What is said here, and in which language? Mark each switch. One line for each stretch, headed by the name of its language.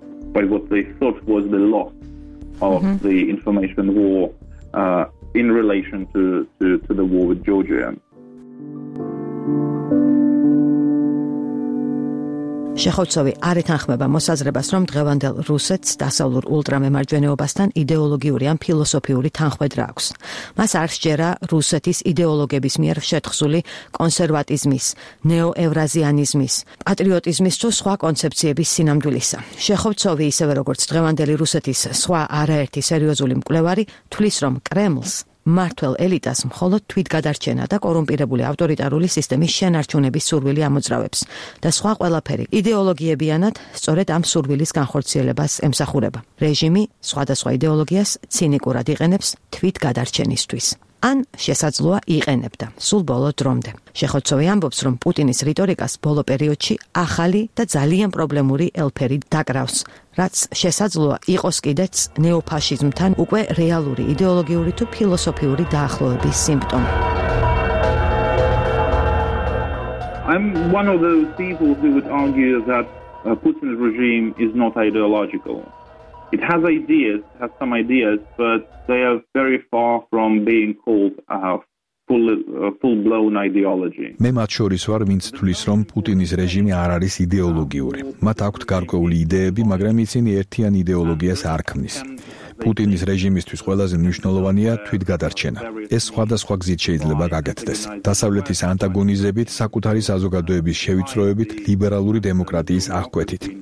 English: By what they thought was the loss of the information war in relation to the war with Georgia.
Georgian: შეხოცოვი არ ეთანხმება მოსაზრებას, რომ დღევანდელ რუსეთს დასავლურ ультрамემარჯვენეობასთან იდეოლოგიური ან ფილოსოფიური თანხმედრა აქვს. მას არ სჯერა რუსეთის იდეოლოგების მიერ შეთხზული კონსერვატიზმის, ნეოევრაზიანიზმის, პატრიოტიზმის თუ სხვა კონცეფციების სინამდვილისა. შეხოცოვი, ისევე როგორც დღევანდელი რუსეთის სხვა არაერთი სერიოზული მკვლევარი, თვლის, რომ კრემლს მართველ ელიტას მხოლოდ თვითგადარჩენა და კორუმპირებული ავტორიტარული სისტემის შენარჩუნების სურვილი ამოძრავებს და სხვა ყველაფერი იდეოლოგიებიანად სწორედ ამ სურვილის განხორციელებას ემსახურება. რეჟიმი სხვადასხვა იდეოლოგიას ცინიკურად იყენებს თვითგადარჩენისთვის. ან შესაძლოა იყენებდა სულ ბოლო დრომდე. შეხოცოვი ამბობს, რომ პუტინის რიტორიკას ბოლო პერიოდში ახალი და ძალიან პრობლემური ელფერი დაკრავს, რაც შესაძლოა იყოს კიდეც ნეოფაშიზმთან უკვე რეალური იდეოლოგიური თუ ფილოსოფიური დაახლოების სიმპტომი.
English: I'm one of those people who would argue that Putin's regime is not ideological. It has ideas, has some ideas, but they are very far from being called full-blown ideology.
Georgian: მე მათ შორის ვარ, ვინც თვლის, რომ პუტინის რეჟიმი არ არის იდეოლოგიური. მათ აქვთ გარკვეული იდეები, მაგრამ ისინი ერთიან იდეოლოგიას არ ქმნის. პუტინის რეჟიმისთვის ყველაზე მნიშვნელოვანია თვითგადარჩენა. ეს სხვადასხვა გზით შეიძლება გაგეთდეს. დასავლეთის ანტაგონიზებით, საკუთარი საზოგადოების შევიწროებით, ლიბერალური დემოკრატიის აღკვეთით.